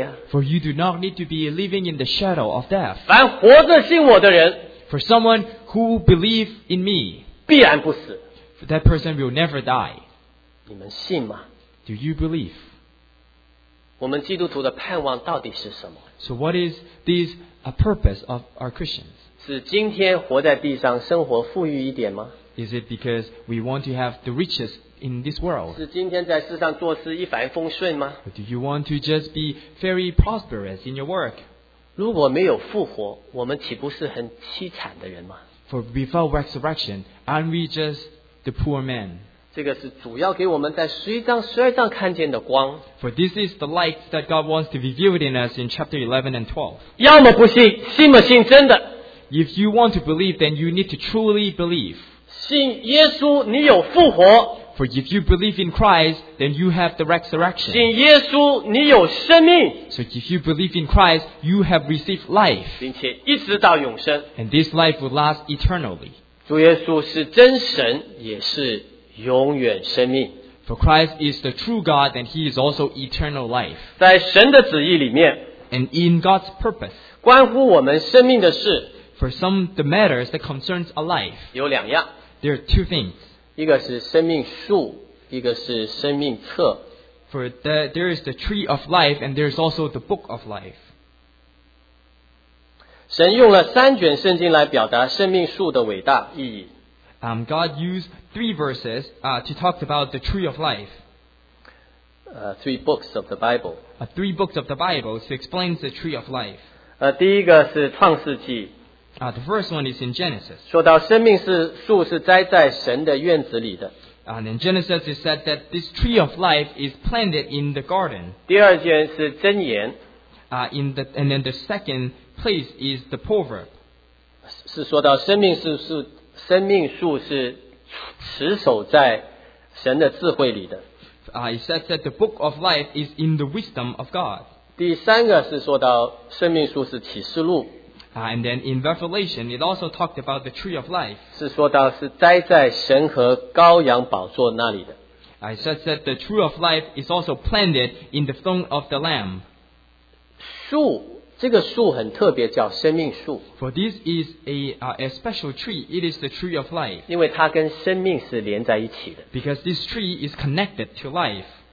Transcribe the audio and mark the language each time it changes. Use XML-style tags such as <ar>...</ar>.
<en>For you do not need to be living in the shadow of death.</en> <zh>凡活着信我的人,</zh> <en>for someone who believes in me,</en> <zh>必然不死,</zh> <en>that person will never die.</en> <zh>你们信吗?</zh> <en>Do you believe?</en> <zh>我们基督徒的盼望到底是什么?</zh> <en>So what is this a purpose of our Christians?</en> <zh>是今天活在地上生活富裕一点吗?</zh> <en>Is it because we want to have the riches in this world?</en> <zh>是今天在世上做事一帆风顺吗?</zh> <en>Or do you want to just be very prosperous in your work?</en> <zh>如果没有复活, 我们岂不是很凄惨的人吗?</zh> <en>For before resurrection, aren't we just the poor man?</en> <zh>这个是主要给我们在十一章、十二章看见的光。</zh> <en>For this is the light that God wants to reveal in us in chapter 11 and 12.</en> <zh>要么不信，信不信真的？</zh> <en>If you want to believe, then you need to truly believe.</en> <zh>信耶稣，你有复活。</zh> <en>For if you believe in Christ, then you have the resurrection.</en> <zh>信耶稣，你有生命。</zh> <en>So if you believe in Christ, you have received life.</en> <zh>并且一直到永生。</zh> <en>And this life will last eternally.</en> <zh>主耶稣是真神，也是。永远生命。</zh> <en>For Christ is the true God and he is also eternal life.</en> <zh>在神的旨意里面,</zh> <en>and in God's purpose,</en> <zh>关乎我们生命的事,</zh> <en>for some the matters that concerns a life,</en> <zh>有两样,</zh> <en>there are two things.</en> <zh>一个是生命树, 一个是生命册,</zh> <en>for the, there is the tree of life and there is also the book of life.</en> <zh>神用了三卷圣经来表达生命树的伟大意义。</zh> <en>God used three verses to talk about the tree of life. Three books of the Bible. Three books of the Bible to explain the tree of life.</en> <zh>第一个是创世纪,</zh> <en>the first one is in Genesis.</en> <zh>说到生命树是栽在神的院子里的,</zh> <en>and in Genesis it said that this tree of life is planted in the garden.</en> <zh>第二卷是箴言,</zh> <en>And then the second place is the proverb.</en> <zh>是说到生命树是持守在神的智慧里的。</zh> <en>It says that the book of life is in the wisdom of God.</en> <zh>第三个是说到生命树是启示录。</zh> <en>And then in Revelation, it also talked about the tree of life.</en> <zh>是说到是栽在神和羔羊宝座那里的。</zh> <en>It says that the tree of life is also planted in the throne of the Lamb.</en> <zh>树, 这个树很特别, 叫生命树。</zh> <en>For this is a special tree, it is the tree of life.</en> <zh>因为它跟生命是连在一起的。</zh> <en>Because this tree is connected to life.</en>